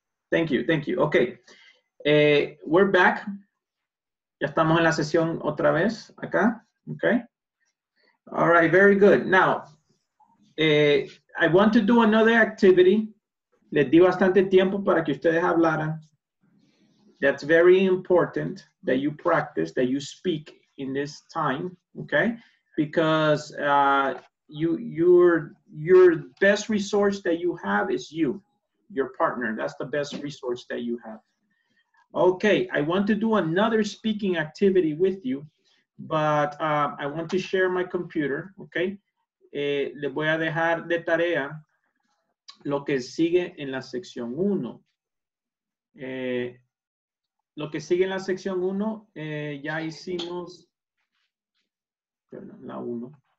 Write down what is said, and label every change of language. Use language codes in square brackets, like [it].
[en] Thank you, thank you. Okay, we're back. [es] Ya estamos en la sesión otra vez acá. Okay. All right, very good. [en] Now, I want to do another activity. [es] Les di bastante tiempo para que ustedes hablaran. [en] That's very important that you practice, that you speak in this time, okay? Because your best resource that you have is you, your partner. That's the best resource that you have. Okay, I want to do another speaking activity with you, but I want to share my computer, okay? [es] Le voy a dejar de tarea lo que sigue en la sección 1. Lo que sigue en la sección 1, ya hicimos, perdón, la 1.